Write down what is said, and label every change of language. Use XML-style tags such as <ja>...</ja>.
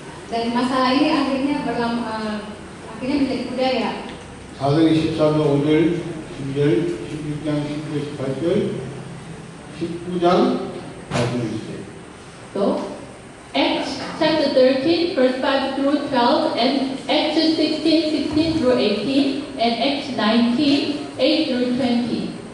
<id>그 masalah ini akhirnya akhirnya menjadi budaya.</id> <ko>사도의 13장 5절, 10절, 16장 19절, 18절, 19장 18절.</ko> <en>So Acts chapter 13, verse 5 through 12, and Acts 16, 16 through 18, and Acts 19, 8 through 20.</en>